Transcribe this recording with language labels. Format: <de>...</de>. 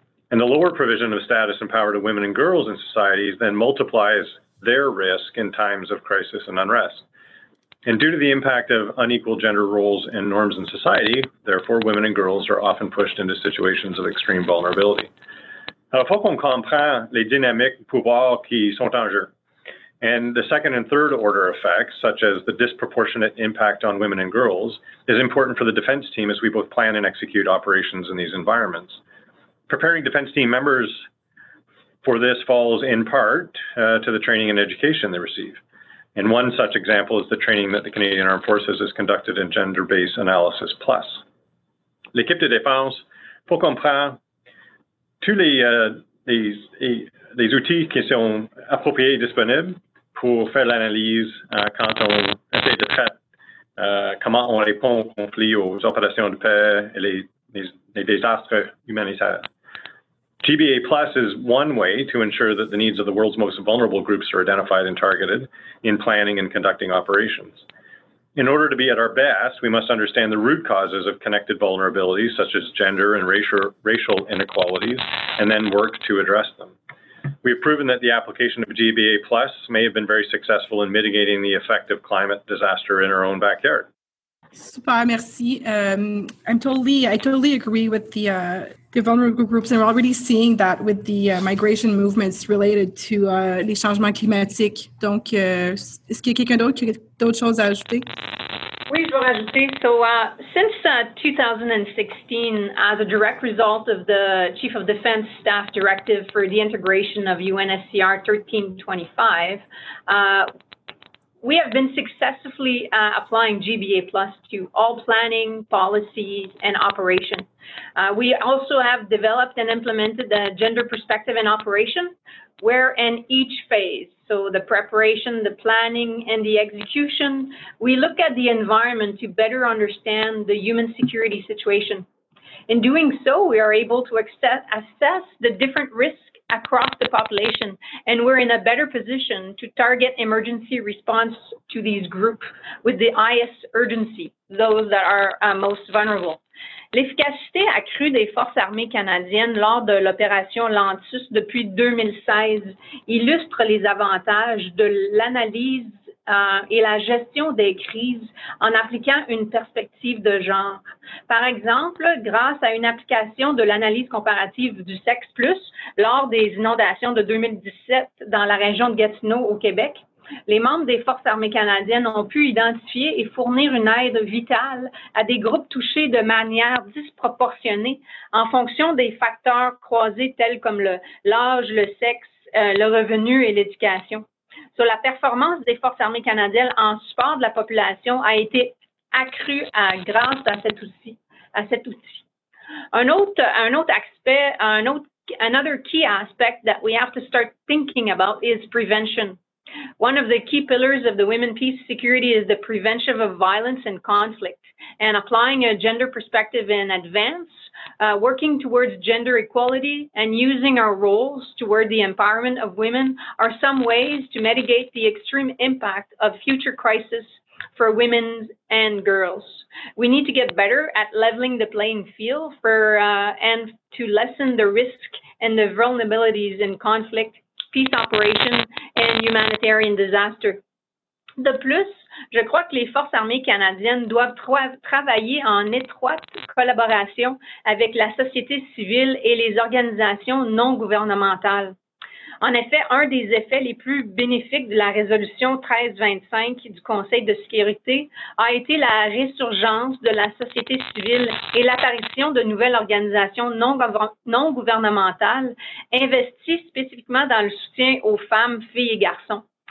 <en>And the lower provision of status and power to women and girls in societies then multiplies their risk in times of crisis and unrest. And due to the impact of unequal gender roles and norms in society, therefore, women and girls are often pushed into situations of extreme vulnerability.</en> <fr>Alors, faut qu'on comprenne les dynamiques de pouvoir qui sont en jeu.</fr> <en>And the second and third order effects, such as the disproportionate impact on women and girls, is important for the defense team as we both plan and execute operations in these environments. Preparing defense team members for this falls in part to the training and education they receive. And one such example is the training that the Canadian Armed Forces has conducted in Gender-Based Analysis Plus.</en> <fr>L'équipe de défense, pour comprendre tous les outils qui sont appropriés et disponibles pour faire l'analyse quand on essaie de traiter comment on répond aux conflits, aux opérations de paix et les désastres humanitaires.</fr> <en>GBA Plus is one way to ensure that the needs of the world's most vulnerable groups are identified and targeted in planning and conducting operations. In order to be at our best, we must understand the root causes of connected vulnerabilities, such as gender and racial inequalities, and then work to address them. We have proven that the application of GBA Plus may have been very successful in mitigating the effect of climate disaster in our own backyard.</en> <fr>Super, merci.</fr> <en>I totally agree with the vulnerable groups. And we're already seeing that with the migration movements related to</en> <fr>les changements climatiques. Donc, est-ce qu'il y a quelqu'un d'autre qui a d'autres choses à ajouter? Oui, je veux rajouter.</fr> <en>So, since 2016, as a direct result of the Chief of Defense Staff Directive for the integration of UNSCR 1325, we have been successfully applying GBA Plus to all planning, policies, and operations. We also have developed and implemented the gender perspective in operation, where in each phase, so the preparation, the planning, and the execution, we look at the environment to better understand the human security situation. In doing so, we are able to assess the different risks across the population, and we're in a better position to target emergency response to these groups with the highest urgency, those that are most vulnerable.</en> <fr>L'efficacité accrue des forces armées canadiennes lors de l'opération Lantus depuis 2016 illustre les avantages de l'analyse et la gestion des crises en appliquant une perspective de genre. Par exemple, grâce à une application de l'analyse comparative du sexe plus lors des inondations de 2017 dans la région de Gatineau au Québec, les membres des Forces armées canadiennes ont pu identifier et fournir une aide vitale à des groupes touchés de manière disproportionnée en fonction des facteurs croisés tels comme l'âge, le sexe, le revenu et l'éducation. So, la performance des Forces armées canadiennes en support de la population a été accrue grâce à cet outil.</fr> <en>Another key aspect that we have to start thinking about is prevention. One of the key pillars of the Women, Peace, Security is the prevention of violence and conflict. And applying a gender perspective in advance, working towards gender equality, and using our roles toward the empowerment of women are some ways to mitigate the extreme impact of future crisis for women and girls. We need to get better at leveling the playing field and to lessen the risk and the vulnerabilities in conflict, peace operations, and humanitarian disaster.</en> <fr>De plus, je crois que les Forces armées canadiennes doivent travailler en étroite collaboration avec la société civile et les organisations non gouvernementales. En effet, un des effets les plus bénéfiques de la résolution 1325 du Conseil de sécurité a été la résurgence de la société civile et l'apparition de nouvelles organisations non gouvernementales investies spécifiquement dans le soutien aux femmes, filles et garçons.</fr>